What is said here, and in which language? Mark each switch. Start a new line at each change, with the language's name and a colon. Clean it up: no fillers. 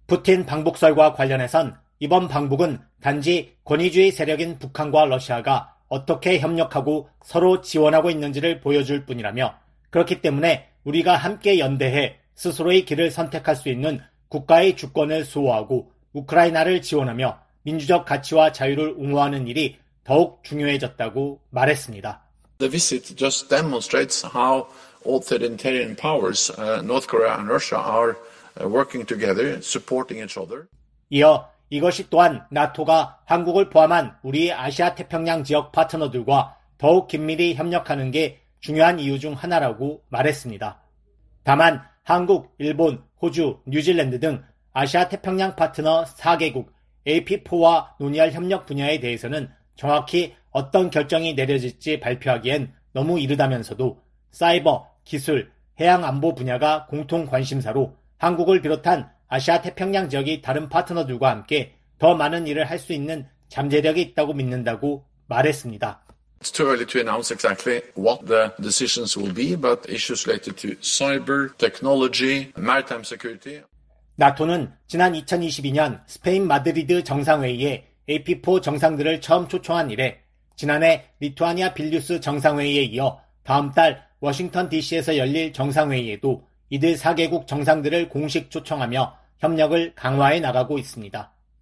Korean: 푸틴 방북설과 관련해선 이번 방북은 단지 권위주의 세력인 북한과 러시아가 어떻게 협력하고 서로 지원하고 있는지를 보여줄 뿐이라며 그렇기 때문에 우리가 함께 연대해 스스로의 길을 선택할 수 있는 국가의 주권을 수호하고 우크라이나를 지원하며 민주적 가치와 자유를 옹호하는 일이 더욱 중요해졌다고 말했습니다.
English: The visit just demonstrates how authoritarian powers, North Korea and Russia are working together, supporting each other.
Korean: 이어 이것이 또한 나토가 한국을 포함한 우리의 아시아 태평양 지역 파트너들과 더욱 긴밀히 협력하는 게 중요한 이유 중 하나라고 말했습니다. 다만 한국, 일본, 호주, 뉴질랜드 등 아시아 태평양 파트너 4개국 AP4와 논의할 협력 분야에 대해서는 정확히 어떤 결정이 내려질지 발표하기엔 너무 이르다면서도 사이버, 기술, 해양 안보 분야가 공통 관심사로 한국을 비롯한 아시아 태평양 지역이 다른 파트너들과 함께 더 많은 일을 할 수 있는 잠재력이 있다고 믿는다고 말했습니다.
English: It's too early to announce exactly what the decisions will be, but issues related to cyber, technology, maritime security.
Korean: 나토는 지난 2022년 스페인 마드리드 정상회의에 AP4 정상들을 처음 초청한 이래 지난해 리투아니아 빌뉴스 정상회의에 이어 다음 달 워싱턴 DC에서 열릴 정상회의에도 이들 4개국 정상들을 공식 초청하며 협력을 강화해 나가고 있습니다.